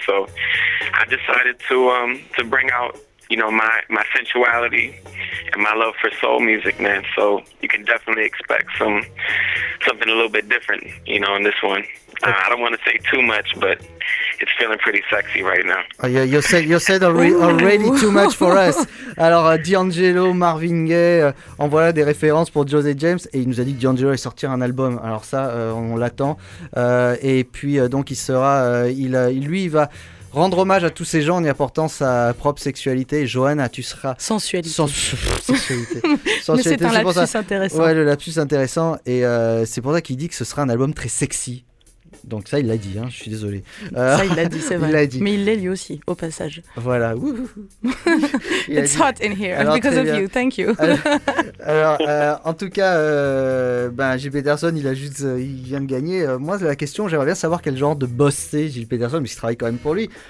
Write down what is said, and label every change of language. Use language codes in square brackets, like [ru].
[en] So I decided to bring out, you know, my sensuality and my love for soul music, man. So you can definitely expect something a little bit different, you know, in this one. I don't want to say too much, but it's feeling pretty sexy right now. Oh, yeah, you said already too much for us. [fr] Alors, D'Angelo, Marvin Gaye, en voilà des références pour Jose James. Et il nous a dit que D'Angelo allait sortir un album. Alors ça, on l'attend. Et puis, donc, il sera... il va... rendre hommage à tous ces gens en y apportant sa propre sexualité. Johanna, tu seras... sensualité. Sensualité. Mais c'est un lapsus intéressant. Ouais, le lapsus intéressant. Et c'est pour ça qu'il dit que ce sera un album très sexy. Donc ça, il l'a dit, hein, je suis désolé. Ça, il l'a dit, c'est vrai. Il l'a dit. Mais il l'est lui aussi, au passage. Voilà. [en] It's hot in here, alors, because of you, thank you. [fr] Alors, en tout cas, Gilles Peterson, il vient de gagner. Moi, la question, j'aimerais bien savoir quel genre de boss c'est Gilles Peterson, mais il travaille quand même pour lui.